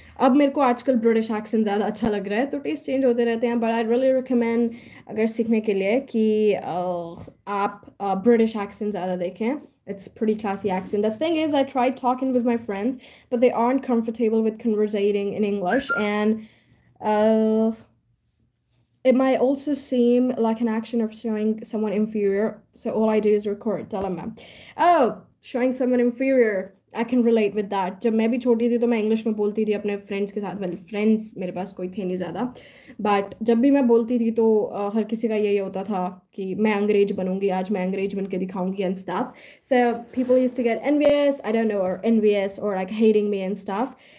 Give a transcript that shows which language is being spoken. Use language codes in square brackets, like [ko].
[hi] अब मेरे को आजकल ब्रिटिश एक्सेंट ज़्यादा अच्छा लग रहा है, तो टेस्ट चेंज होते रहते हैं. [en] but I really recommend [hi] अगर सीखने के लिए कि आप ब्रिटिश एक्सेंट ज़्यादा देखें. [en] It's pretty classy accent. The thing is I try talking with my friends but they aren't comfortable with conversating in English and It might also seem like an action of showing someone inferior. So all I do is record, tell them. Oh, showing someone inferior. I can relate with that. [hi] जब मैं भी छोटी थी तो मैं English में बोलती थी अपने फ्रेंड्स के साथ. वाली फ्रेंड्स मेरे पास कोई थे नहीं ज़्यादा, बट जब भी मैं बोलती थी तो हर किसी का यही होता था कि मैं अंग्रेज बनूंगी, आज मैं अंग्रेज बन के दिखाऊंगी and staff. [en] so people use to get envious, I don't know, [hi] और [en] Envious और like hating me and staff.